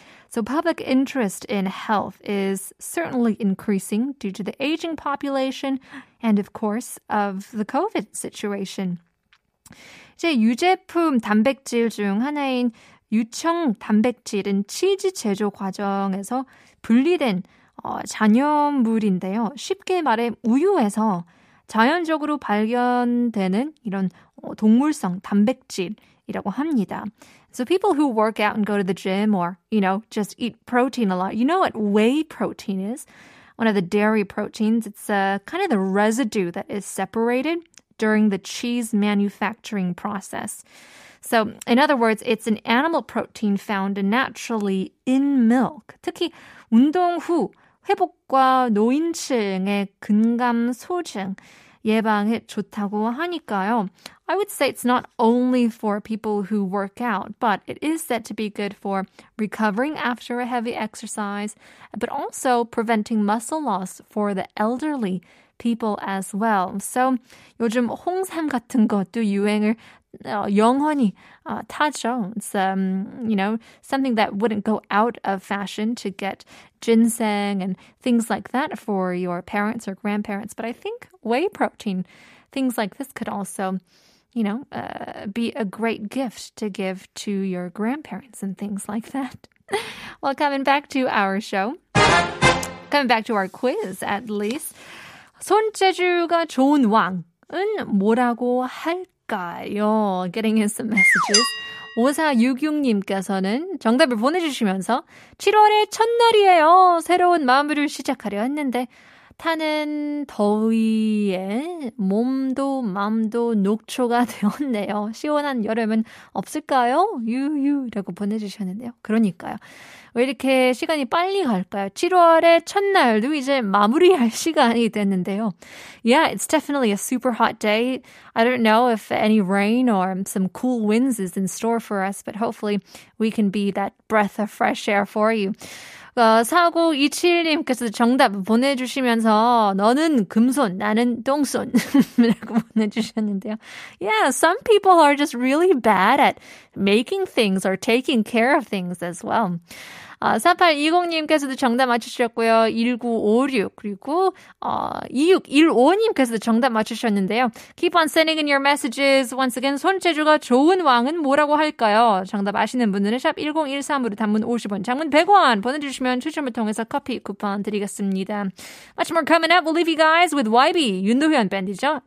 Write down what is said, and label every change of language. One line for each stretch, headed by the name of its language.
English: So public interest in health is certainly increasing due to the aging population and of course of the COVID situation.
Korean: 이제 유제품 단백질 중 하나인 유청 단백질은 치즈 제조 과정에서 분리된 잔여물인데요. 쉽게 말해 우유에서 자연적으로 발견되는 이런 동물성 단백질이라고 합니다.
English: So people who work out and go to the gym or, you know, just eat protein a lot, you know what whey protein is? One of the dairy proteins, it's kind of the residue that is separated during the cheese manufacturing process. So, in other words, it's an animal protein found naturally in milk.
Korean: 특히 운동 후 회복과 노인층의 근감 소증 예방에 좋다고 하니까요.
English: I would say it's not only for people who work out, but it is said to be good for recovering after a heavy exercise, but also preventing muscle loss for the elderly people as well.
Korean: So 요즘 홍삼 같은 것도 유행을 영원히 타죠.
English: It's, you know, something that wouldn't go out of fashion to get ginseng and things like that for your parents or grandparents. But I think whey protein, things like this could also, you know, be a great gift to give to your grandparents and things like that. Well, coming back to our show, coming back to our quiz at least.
Korean: 손재주가 좋은 왕은 뭐라고 할까요?
English: Getting in some messages.
Korean: 5466님께서는 정답을 보내주시면서 7월의 첫날이에요. 새로운 마무리를 시작하려 했는데 따뜻하는 더위에 몸도 마음도 녹초가 되었네요. 시원한 여름은 없을까요? 유유라고 보내주셨는데요. 그러니까요. 왜 이렇게 시간이 빨리 갈까요? 7월의 첫날도 이제 마무리할 시간이 됐는데요.
English: Yeah, it's definitely a super hot day. I don't know if any rain or some cool winds is in store for us, but hopefully we can be that breath of fresh air for you.
Korean: 4927님께서 정답 보내주시면서 너는 금손, 나는 똥손 이라고 보내주셨는데요.
English: Yeah, some people are just really bad at making things or taking care of things as well.
Korean: 4820님께서도 정답 맞추셨고요. 1956 그리고 2615님께서도 정답 맞추셨는데요.
English: Keep on sending in your messages. Once again,
Korean: 손재주가 좋은 왕은 뭐라고 할까요? 정답 아시는 분들은 샵 1013으로 단문 50원, 장문 100원 보내주시면 추첨을 통해서 커피 쿠폰 드리겠습니다.
English: Much more coming up. We'll leave you guys with YB, 윤도현 밴드죠.